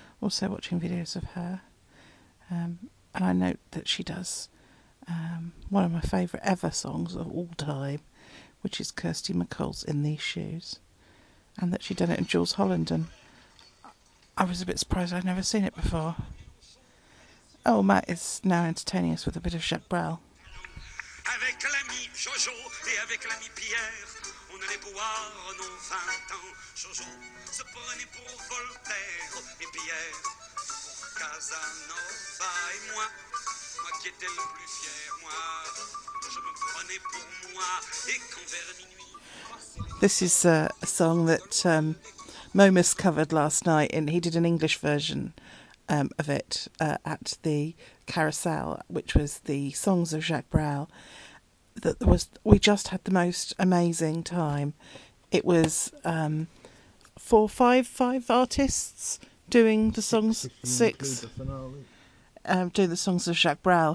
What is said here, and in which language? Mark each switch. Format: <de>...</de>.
<en>Also watching videos of her. And I note that she does one of my favourite ever songs of all time, which is Kirsty MacColl's In These Shoes. And that she done it in Jules Holland. And I was a bit surprised I'd never seen it before. Oh, Matt is now entertaining us with a bit of Jacques Brel.</en> <fr>Avec l'ami Jojo et avec l'ami Pierre, on allait boire nos 20 ans. Jojo se prenait pour Voltaire et Pierre pour Casanova, et moi qui étais le plus fier, moi je me prenais pour moi. Et quand vers minuit,</fr> <en>this is a song that Momus covered last night, and he did an English version of it at the Carousel, which was the Songs of Jacques Brel. That was, we just had the most amazing time. It was five artists doing the songs, doing the songs of Jacques Brel.</en>